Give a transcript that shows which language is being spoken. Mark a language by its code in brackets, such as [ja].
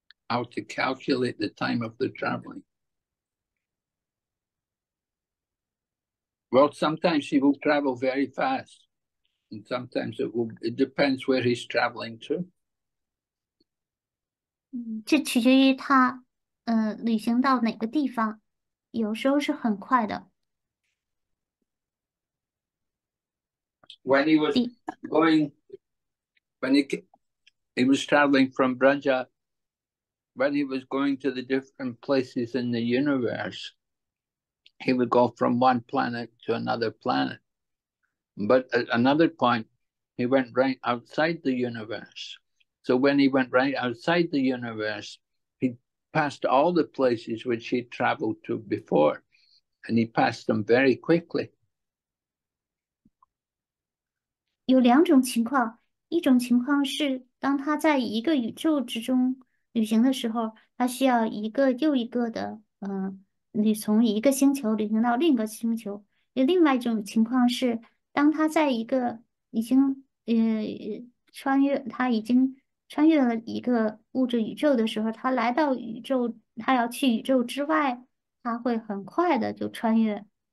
[en] How to calculate the time of the traveling. Well, sometimes he will travel very fast, and sometimes it depends where he's traveling to. [zh] 这取决于他，旅行到哪个地方，有时候是很快的。 [en] When he was going, when he was traveling from Braja. When he was going to the different places in the universe, he would go from one planet to another planet. But at another point, he went right outside the universe. So when he went right outside the universe, he passed all the places which he'd traveled to before, and he passed them very quickly. [zh] 有两种情况，一种情况是当他在一个宇宙之中旅行的时候，他需要一个又一个的，从一个星球旅行到另一个星球。有另外一种情况是，当他在一个已经穿越，他已经穿越了一个物质宇宙的时候，他来到宇宙，他要去宇宙之外，他会很快的就穿越。